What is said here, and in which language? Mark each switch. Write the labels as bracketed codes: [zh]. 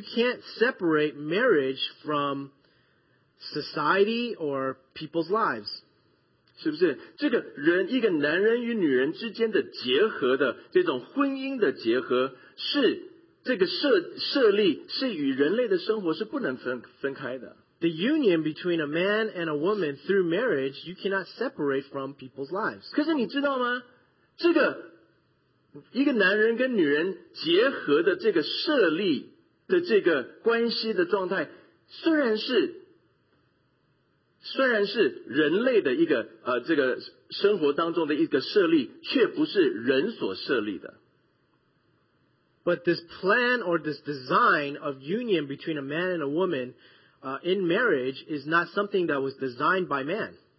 [en] can't separate marriage from society or people's lives. [zh] 是不是这个人一个男人与女人之间的结合的这种婚姻的结合是这个设立是与人类的生活是不能分开的。 [en] The union between a man and a woman through marriage, you cannot separate from people's lives. [zh] 可是你知道吗？这个一个男人跟女人结合的这个设立的这个关系的状态，虽然是 虽然是人类的一个这个生活当中的一个设立，却不是人所设立的。 [en] But this plan or this design of union between a man and a woman in marriage is not something that was designed by man.